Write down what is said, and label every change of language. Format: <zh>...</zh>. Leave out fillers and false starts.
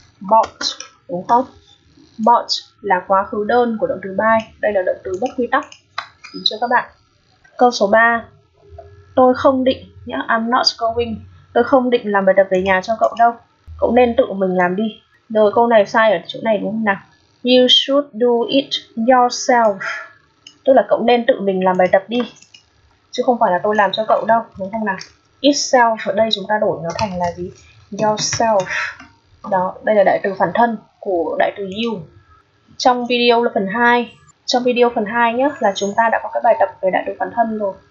<vi>Bought đúng không? Bought là quá khứ đơn của động từ buy. Đây là động từ bất quy tắc. Đúng chưa các bạn? Câu số 3. Tôi không định nhá,</vi> <en>I'm not going.</en> <vi>Tôi không định làm bài tập về nhà cho cậu đâu. Cậu nên tự mình làm đi. Rồi câu này sai ở chỗ này đúng không nào?</vi> <en>You should do it yourself.</en> <vi>Tức là cậu nên tự mình làm bài tập đi, chứ không phải là tôi làm cho cậu đâu, đúng không nào? Itself ở đây chúng ta đổi nó thành là gì? Yourself. Đó, đây là đại từ phản thân của đại từ you. Trong video là phần 2. Trong video phần 2 nhé, là chúng ta đã có cái bài tập về đại từ phản thân rồi.</vi>